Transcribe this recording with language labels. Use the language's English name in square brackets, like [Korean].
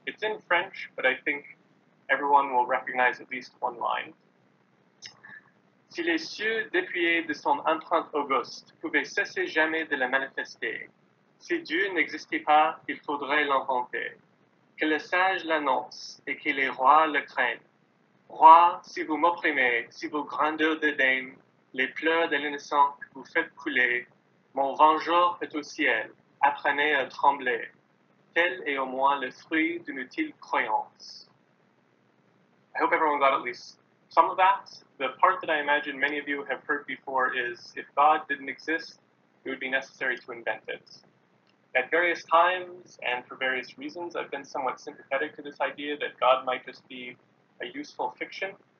[English] It's in French, but I think everyone will recognize at least one line. [French] Si les cieux dépouillés de son empreinte auguste pouvaient cesser jamais de la manifester, si Dieu n'existait pas, il faudrait l'inventer. Que les sages l'annoncent et que les rois le craignent. Rois, si vous m'opprimez, si vos grandeurs dédaignent, les pleurs de l'innocent que vous faites couler, mon vengeur est au ciel, apprenez à trembler. Tel est au moins le fruit d'une utile croyance. [English] I hope everyone got at least some of that. The part that I imagine many of you have heard before is, if God didn't exist, it would be necessary to invent it. At various times and for various reasons, I've been somewhat sympathetic to this idea that God might just be a useful fiction.